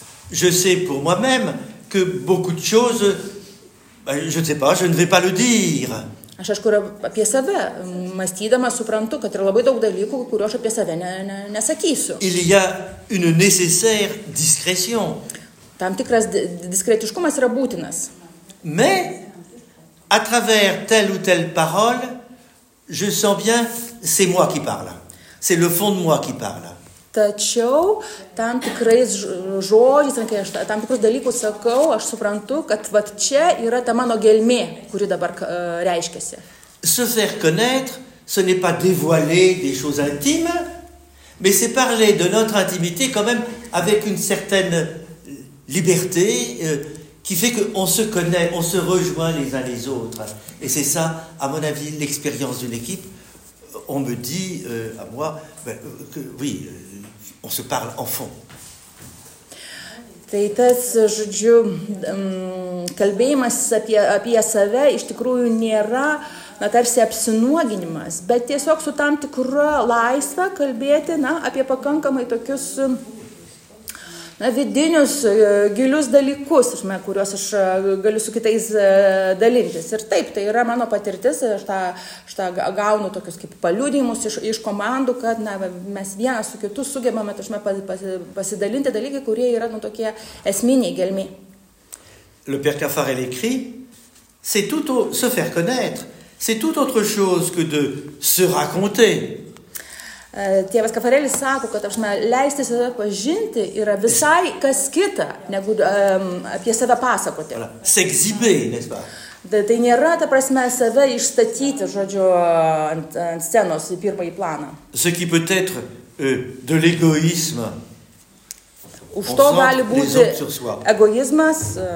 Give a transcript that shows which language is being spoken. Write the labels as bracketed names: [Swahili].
[French] Je sais pour moi-même que beaucoup de choses, je ne sais pas, je ne vais pas le dire. [Lithuanian] Aš kažkur apie save mąstydama suprantu, kad yra labai daug dalykų, kurio aš apie save nesakysiu. [French] Il y a une nécessaire discrétion. [Lithuanian] Tam tikras diskretiškumas yra būtinas. [French] Mais à travers telle ou telle parole, je sens bien c'est moi qui parle. C'est le fond de moi qui parle. [Lithuanian] Tačiau tam tikrais žodžiais, tam tikrus dalykus sakau, aš suprantu, kad vat čia yra ta mano gelmė, kuri dabar reiškiasi. [French] Se faire connaître, ce n'est pas dévoiler des choses intimes, mais c'est parler de notre intimité quand même avec une certaine liberté qui fait qu'on se connaît, on se rejoint les uns les autres. Et c'est ça, à mon avis, l'expérience d'une équipe. On me dit à moi, que oui, on se parle en fond. [Lithuanian] Tai tas, žodžiu, kalbėjimas apie save iš tikrųjų nėra tarsi apsinuoginimas, bet tiesiog su tam tikra laisva kalbėti apie pakankamai tokius vidinius, gilius dalykus, kuriuos aš galiu su kitais dalintis. Ir taip, tai yra mano patirtis, aš tą gaunu tokius kaip paliudimus iš komandų, kad mes vienas su kitu sugebame pasidalinti dalykai, kurie yra tokie esminiai gelmi. [French] Le Père Caffarel écrit, c'est tout se faire connaître, c'est tout autre chose que de se raconter. [Lithuanian] Tėvas Kafarelis sako, kad leisti save pažinti yra visai kas kita, negu apie save pasakoti. [French] S'exhiber, n'est-ce pas? [Lithuanian] Tai nėra, ta prasme, save išstatyti, žodžiu, ant scenos į pirmąjį planą. [French] Ce qui peut être de l'égoïsme. [Lithuanian] Už to gali būti egoizmas.